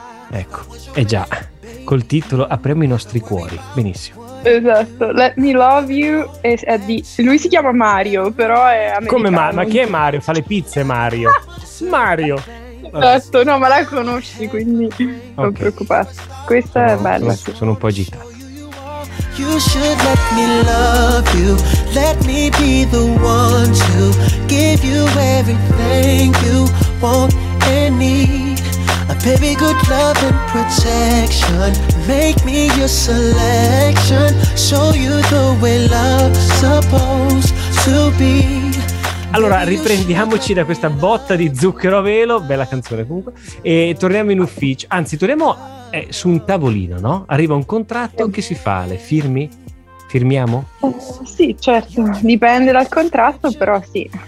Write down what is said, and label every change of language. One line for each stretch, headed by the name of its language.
Italian: Ecco, è già, col titolo apriamo i nostri cuori, benissimo. Esatto, Let Me Love You è di... Lui si chiama Mario, però è americano. Come ma chi è Mario? Fa le pizze Mario. Mario. Vabbè. Esatto, no, ma la conosci, quindi non preoccuparti. Questa è bella. Sono un po' agitato.
English: You should let me love you. Let me be the one to give you everything you want and need. A baby, good love and protection. Make me your selection. Show you the way love's supposed to be.
Italian: Allora, riprendiamoci da questa botta di zucchero a velo. Bella canzone comunque. E torniamo in ufficio. Anzi, torniamo su un tavolino, no? Arriva un contratto, che si fa? Le firmi? Firmiamo? Sì, certo. Dipende dal contratto, però sì.